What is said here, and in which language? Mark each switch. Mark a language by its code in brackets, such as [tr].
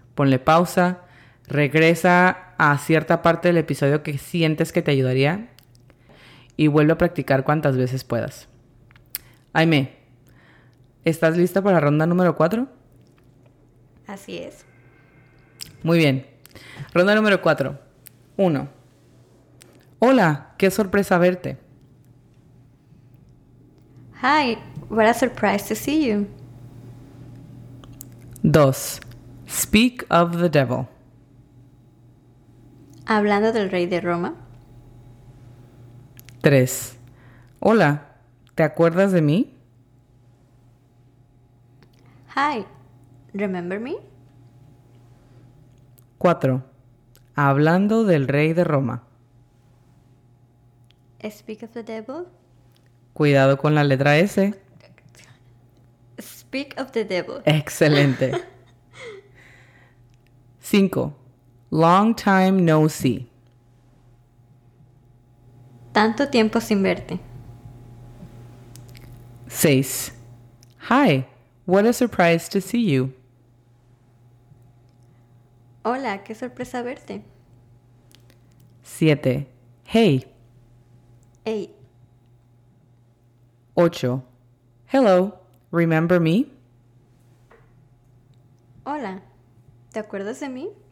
[es] Ponle pausa, regresa a cierta parte del episodio que sientes que te ayudaría y vuelve a practicar cuantas veces puedas. Jaime, ¿estás lista para ronda número 4? Así es. Muy bien. Ronda número 4. 1. Hola, qué sorpresa verte. [en] Hi, what a surprise to see you. 2. Speak of the devil. [es] Hablando del rey de Roma. 3. Hola, ¿te acuerdas de mí? [en] Hi, remember me? 4. [es] Hablando del rey de Roma. [en] Speak of the devil. [es] Cuidado con la letra S. [en] Speak of the devil. [es] Excelente. [en] 5. Long time no see. [es] Tanto tiempo sin verte. 6. [en] Hi, what a surprise to see you. [es] Hola, qué sorpresa verte. [en] 7. Hey. Hey. 8. Hello, remember me? [es] Hola, ¿te acuerdas de mí?